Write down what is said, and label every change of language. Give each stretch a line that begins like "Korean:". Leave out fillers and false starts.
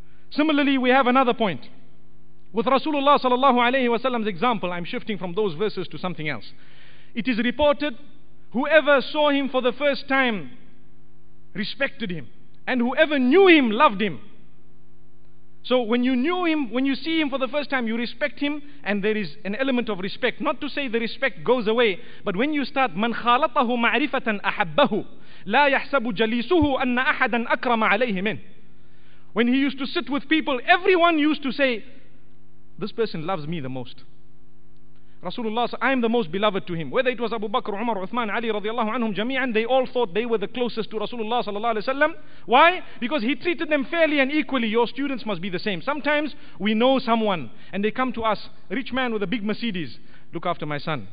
English: Similarly, we have another point. With Rasulullah sallallahu alayhi wa sallam's example, I'm shifting from those verses to something else. It is reported, whoever saw him for the first time respected him, and whoever knew him loved him. So when you knew him, when you see him for the first time, you respect him, and there is an element of respect. Not to say the respect goes away, but when you start,
Arabic: مَنْ خَالَطَهُ مَعْرِفَةً أَحَبَّهُ لَا يَحْسَبُ جَلِيسُهُ أَنَّ أَحَدًا أَكْرَمَ عَلَيْهِ مِنْ.
English: When he used to sit with people, everyone used to say, this person loves me the most. Rasulullah said, I am the most beloved to him. Whether it was Abu Bakr, Umar, Uthman, Ali radiallahu anhum jami'an, they all thought they were the closest to Rasulullah sallallahu alayhi wa sallam. Why? Because he treated them fairly and equally. Your students must be the same. Sometimes we know someone and they come to us, rich man with a big Mercedes, look after my son.